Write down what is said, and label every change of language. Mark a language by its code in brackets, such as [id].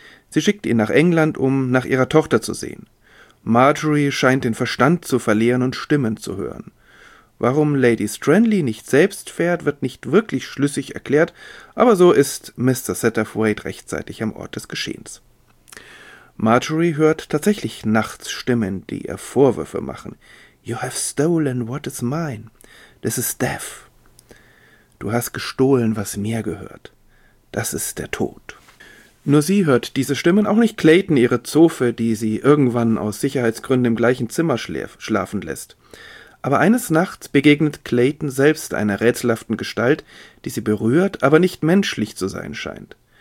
[de] Sie schickt ihn nach England, um nach ihrer Tochter zu sehen. Marjorie scheint den Verstand zu verlieren und Stimmen zu hören. Warum Lady Stranley nicht selbst fährt, wird nicht wirklich schlüssig erklärt, aber so ist Mr. Satterthwaite rechtzeitig am Ort des Geschehens. Marjorie hört tatsächlich nachts Stimmen, die ihr Vorwürfe machen. [en] »You have stolen what is mine. This is death.« [de] »Du hast gestohlen, was mir gehört. Das ist der Tod.« Nur sie hört diese Stimmen, auch nicht Clayton, ihre Zofe, die sie irgendwann aus Sicherheitsgründen im gleichen Zimmer schlafen lässt. Aber eines Nachts begegnet Clayton selbst einer rätselhaften Gestalt, die sie berührt, aber nicht menschlich zu sein scheint.